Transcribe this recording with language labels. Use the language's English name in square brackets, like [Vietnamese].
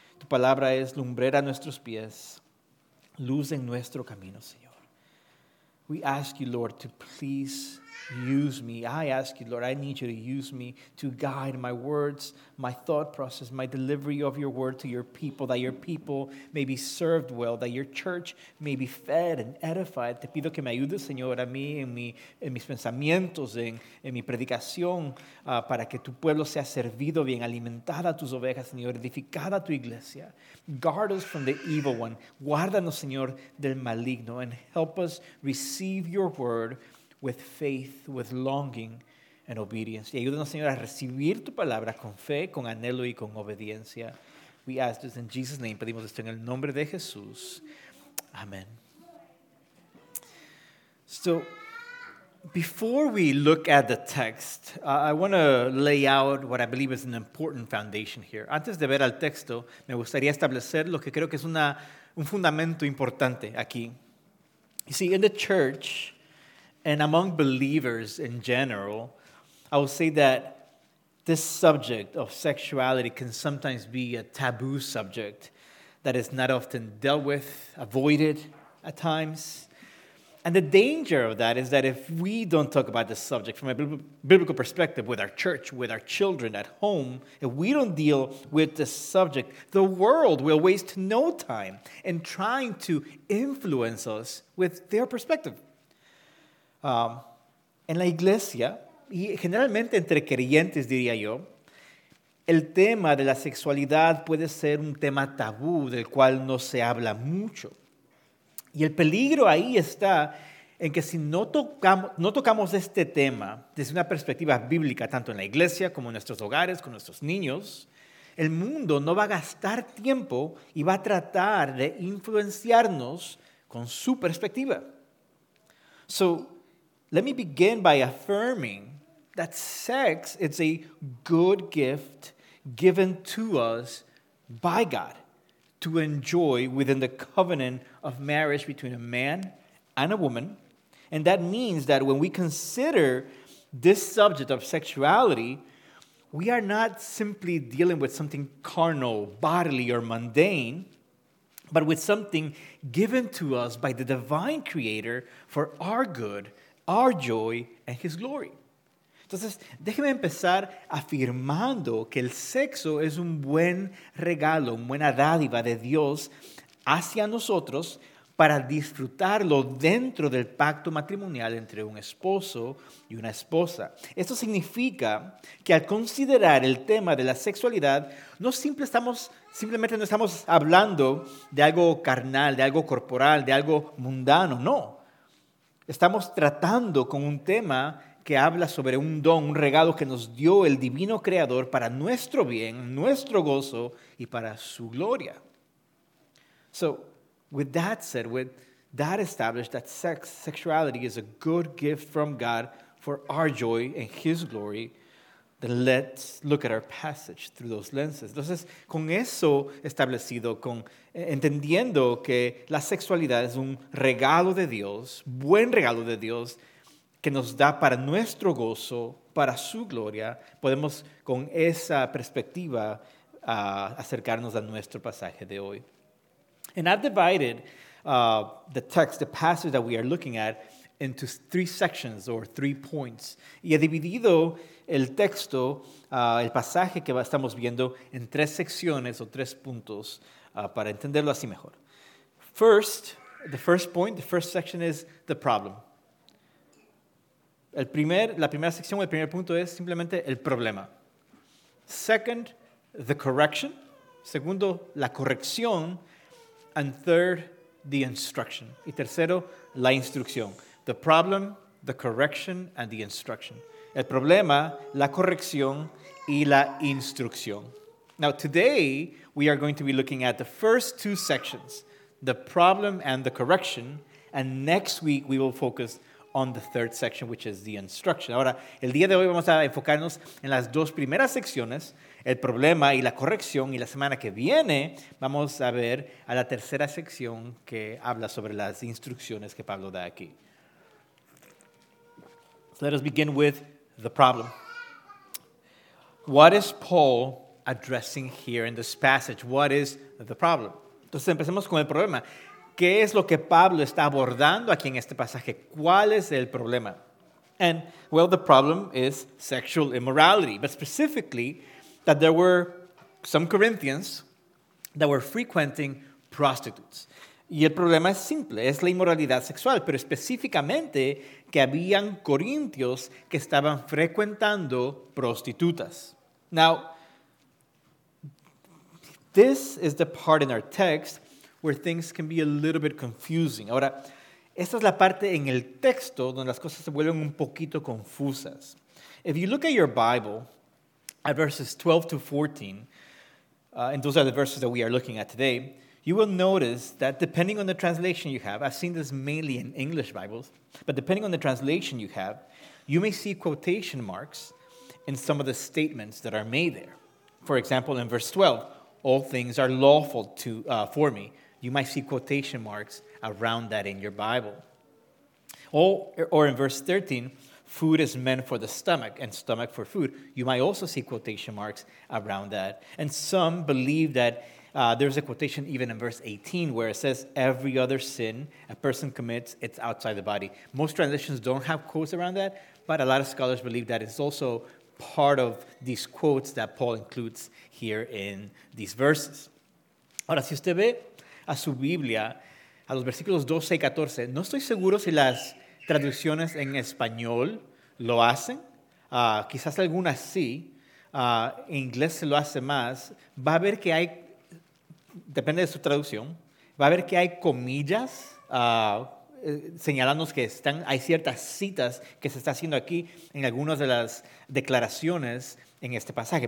[Spanish] Tu palabra es lumbrera a nuestros pies, luz en nuestro camino, Señor. [English] We ask you, Lord, to please use me. I ask you, Lord, I need you to use me to guide my words, my thought process, my delivery of your word to your people, that your people may be served well, that your church may be fed and edified. [Spanish] Te pido que me ayudes, Señor, a mí, en mis pensamientos, en mi predicación, para que tu pueblo sea servido bien, alimentada tus ovejas, Señor, edificada tu iglesia. [English] Guard us from the evil one. [Spanish] Guárdanos, Señor, del maligno, [English] and help us receive your word with faith, with longing, and obedience. [Spanish] Y ayúdanos, Señor, a recibir tu palabra con fe, con anhelo y con obediencia. [English] We ask this in Jesus' name. [Spanish] Pedimos esto en el nombre de Jesús. [English] Amen. So, before we look at the text, I want to lay out what I believe is an important foundation here. [Spanish] Antes de ver al texto, me gustaría establecer lo que creo que es un fundamento importante aquí. [English] You see, in the church, and among believers in general, I will say that this subject of sexuality can sometimes be a taboo subject that is not often dealt with, avoided at times. And the danger of that is that if we don't talk about this subject from a biblical perspective with our church, with our children at home, if we don't deal with this subject, the world will waste no time in trying to influence us with their perspective. [Spanish] En la iglesia, y generalmente entre creyentes, diría yo, el tema de la sexualidad puede ser un tema tabú del cual no se habla mucho. Y el peligro ahí está en que si no tocamos este tema desde una perspectiva bíblica, tanto en la iglesia como en nuestros hogares, con nuestros niños, el mundo no va a gastar tiempo y va a tratar de influenciarnos con su perspectiva. [English] So, let me begin by affirming that sex is a good gift given to us by God to enjoy within the covenant of marriage between a man and a woman. And that means that when we consider this subject of sexuality, we are not simply dealing with something carnal, bodily, or mundane, but with something given to us by the divine creator for our good, our joy and his glory. [Spanish] Entonces, déjeme empezar afirmando que el sexo es un buen regalo, una buena dádiva de Dios hacia nosotros para disfrutarlo dentro del pacto matrimonial entre un esposo y una esposa. Esto significa que al considerar el tema de la sexualidad, no estamos hablando de algo carnal, de algo corporal, de algo mundano, no. Estamos tratando con un tema que habla sobre un don, un regalo que nos dio el divino creador para nuestro bien, nuestro gozo y para su gloria. [English] So, with that said, with that established, that sexuality is a good gift from God for our joy and his glory, then let's look at our passage through those lenses. [Spanish] Entonces, con eso establecido, entendiendo que la sexualidad es un regalo de Dios, buen regalo de Dios, que nos da para nuestro gozo, para su gloria, podemos con esa perspectiva acercarnos a nuestro pasaje de hoy. [English] And I've divided the passage that we are looking at, into three sections or three points. [Spanish] Y he dividido el texto, el pasaje que estamos viendo en tres secciones o tres puntos para entenderlo así mejor. [English] First, the first point, the first section is the problem. [Spanish] La primera sección, el primer punto es simplemente el problema. [English] Second, the correction. [Spanish] Segundo, la corrección. [English] And third, the instruction. [Spanish] Y tercero, la instrucción. [English] The problem, the correction, and the instruction. [Spanish] El problema, la corrección, y la instrucción. [English] Now, today, we are going to be looking at the first two sections, the problem and the correction, and next week, we will focus on the third section, which is the instruction. [Spanish] Ahora, el día de hoy vamos a enfocarnos en las dos primeras secciones, el problema y la corrección, y la semana que viene vamos a ver a la tercera sección que habla sobre las instrucciones que Pablo da aquí. [English] Let us begin with the problem. What is Paul addressing here in this passage. What is the problem? [Spanish] Entonces empecemos con el problema. ¿Qué es lo que Pablo está abordando aquí en este pasaje? ¿Cuál es el problema? [English] And, well, the problem is sexual immorality, but specifically that there were some Corinthians that were frequenting prostitutes. [Spanish] Y el problema es simple, es la inmoralidad sexual, pero específicamente que habían corintios que estaban frecuentando prostitutas. [English] Now, this is the part in our text where things can be a little bit confusing. [Spanish] Ahora, esta es la parte en el texto donde las cosas se vuelven un poquito confusas. [English] If you look at your Bible, at verses 12 to 14, and those are the verses that we are looking at today, you will notice that depending on the translation you have, I've seen this mainly in English Bibles, but depending on the translation you have, you may see quotation marks in some of the statements that are made there. For example, in verse 12, all things are lawful to for me. You might see quotation marks around that in your Bible. Or in verse 13, food is meant for the stomach and stomach for food. You might also see quotation marks around that. And some believe that there's a quotation even in verse 18 where it says, every other sin a person commits, it's outside the body. Most translations don't have quotes around that, but a lot of scholars believe that it's also part of these quotes that Paul includes here in these verses. [Spanish] Ahora, si usted ve a su Biblia, a los versículos 12 y 14, no estoy seguro si las traducciones en español lo hacen. Quizás algunas sí. En inglés se lo hace más. Va a ver que hay, depende de su traducción, va a ver que hay comillas señalándonos que están, hay ciertas citas que se está haciendo aquí en algunas de las declaraciones en este pasaje.